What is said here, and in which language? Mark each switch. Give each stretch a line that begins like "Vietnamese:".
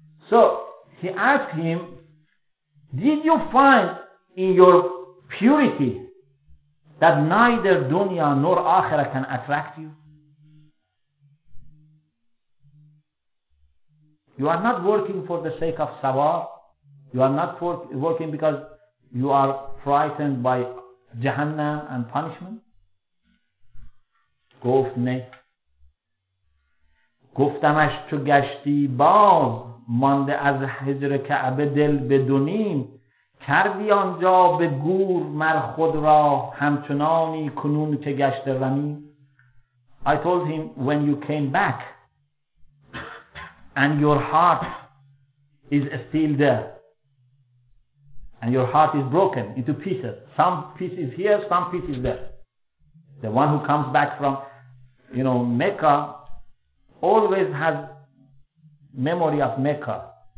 English: So he asked him, did you find in your purity that neither dunya nor akhirah can attract you? You are not working for the sake of sawab. You are not working because you are frightened by jahannam and punishment.
Persian: گفت نه. گفتمش تو گشتی باز مانده از هجر کعبه دل بدونیم، کردی آنجا به گور مر خود را همچنانی کنون که گشت رمی.
English: I told him, when you came back and your heart is still there and your heart is broken into pieces, some pieces here, some pieces there, the one who comes back from Mecca always has memory of Mecca.